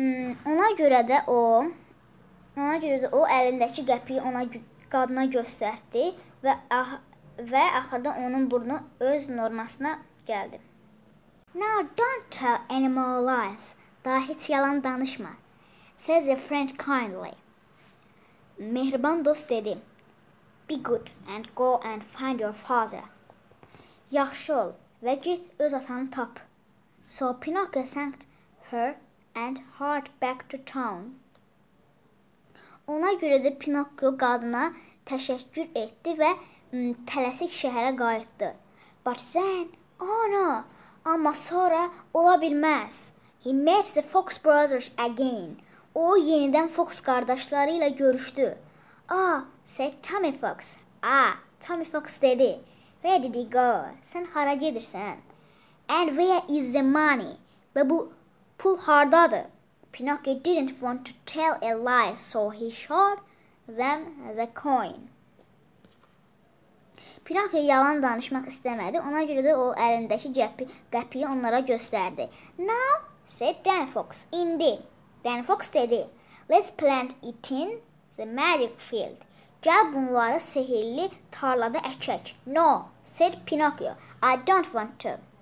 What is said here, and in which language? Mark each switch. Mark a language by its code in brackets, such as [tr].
[az] Ona görə də o əlindəki qəpiyi ona qadına göstərdi və axırda onun burnu öz normasına gəldi. [en] Now don't tell any more lies. [az] Daha heç yalan danışma. [en] Says a friend kindly. [az] Mehriban dost dedi, [en] be good and go and find your father. [az] Yaxşı ol və git öz atanı tap. [en] So Pinocchio sent her and hurried back to town. [az] Ona görə də Pinocchio qadına təşəkkür etdi və tələsik şəhərə qayıtdı. [en] But then, oh no, [az] amma sonra ola bilməz. [en] He met the Fox Brothers again. [az] O yenidən Fox qardaşları ilə görüşdü. [en] Ah, said Tommy Fox. [az] Ah, Tommy Fox dedi. [en] Where did he go? [az] Sən hara gedirsən? [en] And where is the money? [az] Və bu pul hardadır? [en] Pinocchio didn't want to tell a lie, so he showed them the coin. [az] Pinocchio yalan danışmaq istəmədi. Ona görə də o əlindəki qəpiyi onlara göstərdi. [en] Now, said Danny Fox. [az] İndi. [en] Then Fox dedi, let's plant it in the magic field. [az] Gəl bunları sehirli tarlada əkək. [en] No, said Pinocchio, I don't want to.